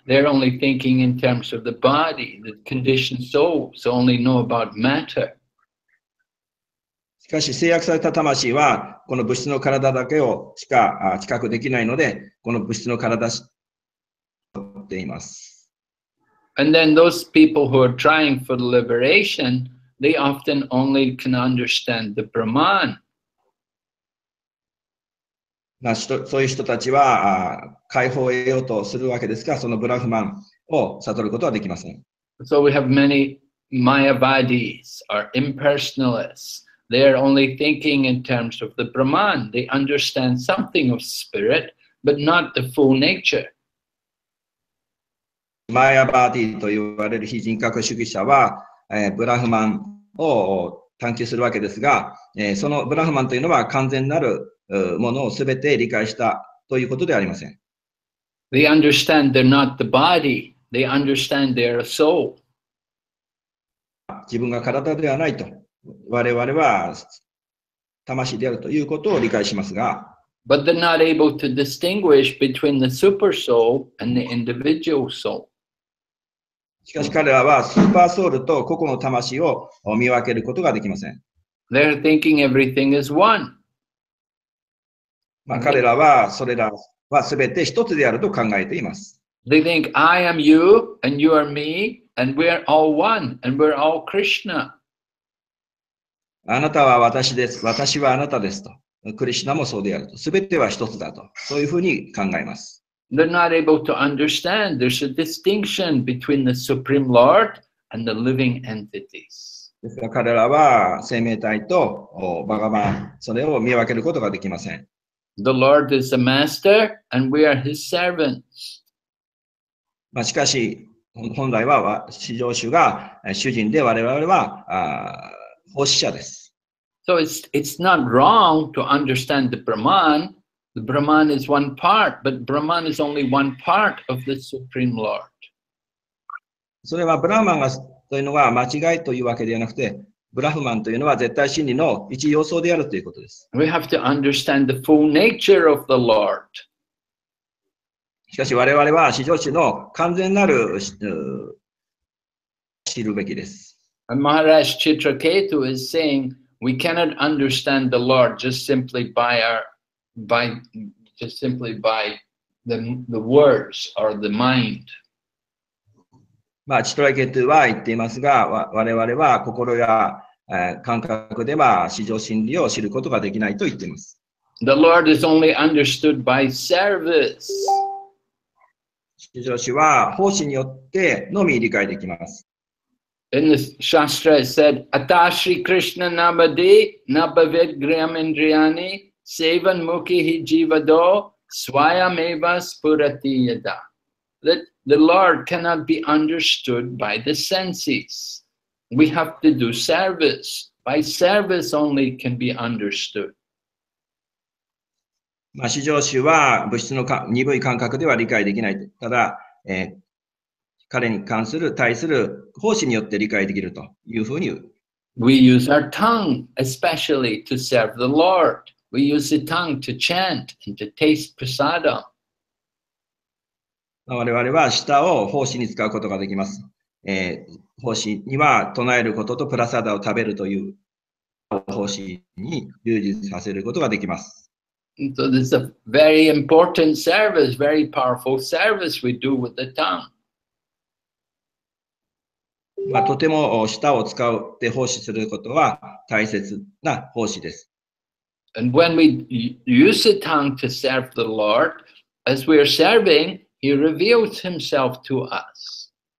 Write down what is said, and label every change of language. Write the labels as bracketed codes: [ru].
[en] They're only thinking in terms of the body, the conditioned soul, so only know about matter. [ja] しかし、制約された魂は、この物質の体だけをしか知覚できないので、この物質の体を知っています。 [en] And then those people who are trying for the liberation, they often only can understand the Brahman. [ja] そういう人たちは解放を得ようとするわけですが、そのブラフマンを悟ることはできません。 [en] So we have many Mayavadis or impersonalists. They are only thinking in terms of the Brahman. They understand something of spirit, but not the full nature. [ja] マヤバーディと言われる非人格主義者は、ブラフマンを探求するわけですが、そのブラフマンというのは完全なるものをすべて理解したということではありません。 [en] They understand they're not the body. They understand they're a soul. [ja] 自分が体ではないと。我々は魂であるということを理解しますが。 [en] But they're not able to distinguish between the super soul and the individual soul. [ja] しかし彼らはスーパーソウルと個々の魂を見分けることができません。 [en] They're thinking everything is one. [ja] まあ彼らはそれらは全て一つであると考えています。 [en] They think I am you and you are me and we're all one and we're all Krishna. [ja] あなたは私です。私はあなたですと。クリシナもそうであると。すべては一つだと。そういうふうに考えます。 [en] They're not able to understand. There's a distinction between the Supreme Lord and the living entities. [ja] ですが彼らは生命体とバガバン、それを見分けることができません。 [en] The Lord is the master and we are his servants. [ja] まあしかし、本来は至上主が主人で我々は奉仕者です。 [en] So it's not wrong to understand the Brahman. The Brahman is one part, but Brahman is only one part of the Supreme Lord. [ja] それはブラマンがというのは間違いというわけではなくて、ブラフマンというのは絶対真理の一要素であるということです。 [en] We have to understand the full nature of the Lord. [ja] しかし我々は至上主の完全なる知るべきです。 [en] And Maharaj Chitraketu is saying,We cannot understand the Lord just simply by our, by, just simply by the words or the mind. [ja] まあ、チトラケトゥは言っていますが、我々は心や、感覚では至上真理を知ることができないと言っています。 [en] The Lord is only understood by service. [ja] 至上主は奉仕によってのみ理解できます。 [en] In the Shastra it said, [sa] Ata Shri Krishna Namadi Nabhavid Griyam Indriyani Sevan Mukhihi Jivado Swayam Eva Spurati Yada. [en] That the Lord cannot be understood by the senses. We have to do service. By service only can be understood. [ja] まあ、至上主は物質の鈍い感覚では理解できない。ただ、彼に関する、対する奉仕によって理解できるというふうに言う。 [en] We use our tongue especially to serve the Lord. We use the tongue to chant and to taste prasada. [ja] 我々は舌を奉仕に使うことができます。奉仕には唱えることとプラサダを食べるという奉仕に従事させることができます。 [en] So this is a very important service, very powerful service we do with the tongue. [ja] まあ、とても舌を使って奉仕することは大切な奉仕です。 [en] And when we use the tongue to serve the Lord, as we are serving, He reveals Himself to us.